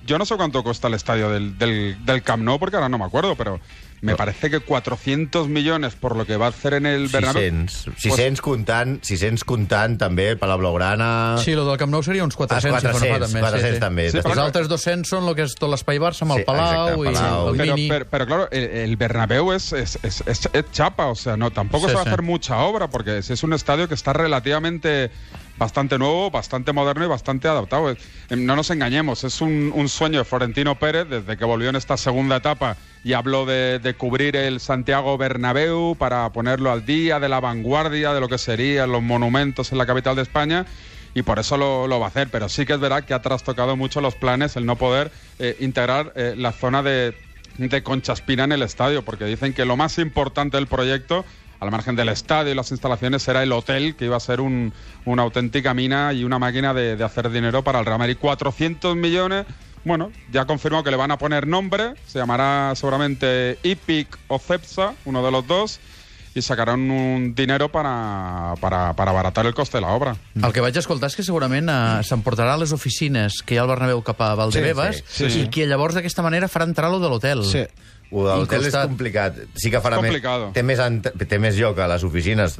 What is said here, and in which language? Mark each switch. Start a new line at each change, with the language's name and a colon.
Catalan: Jo no sé quanto costa l'estadi del Camp Nou, perquè ara no m'acordo, però
Spanish: me parece que 400 millones por lo que va a hacer en el Bernabéu.
Catalan: 600, pues, 600 comptant també el Palau Blaugrana. Sí, lo del Camp Nou seria uns 400. Els 400 també. Sí, els altres 200 són lo que és tot l'espai Barça amb el Palau. Exacte, Palau. I el Mini.
Spanish: Però, claro, el Bernabéu és chapa, o sea, no, tampoco se va a hacer mucha obra, porque es un estadio que está relativamente bastante nuevo, bastante moderno y bastante adaptado. No nos engañemos, es un sueño de Florentino Pérez desde que volvió en esta segunda etapa y habló de cubrir el Santiago Bernabéu para ponerlo al día de la vanguardia de lo que serían los monumentos en la capital de España, y por eso lo va a hacer. Pero sí que es verdad que ha trastocado mucho los planes el no poder integrar la zona de Concha Espina en el estadio, porque dicen que lo más importante del proyecto, al margen del estadio y las instalaciones, era el hotel, que iba a ser una auténtica mina y una máquina de hacer dinero para el Real Madrid. 400 millones, bueno, ya confirmó que le van a poner nombre, se llamará seguramente Epic o Cepsa, uno de los dos, y sacarán un dinero para abaratar el coste de la obra.
Catalan: El que vaig escoltar és que segurament s'emportarà a les oficines que hi ha al Bernabéu cap a Valdebebas, sí. I que llavors d'aquesta manera farà entrar lo de l'hotel. Sí. L'hotel és complicat. Sí que farà té més lloc a les oficines.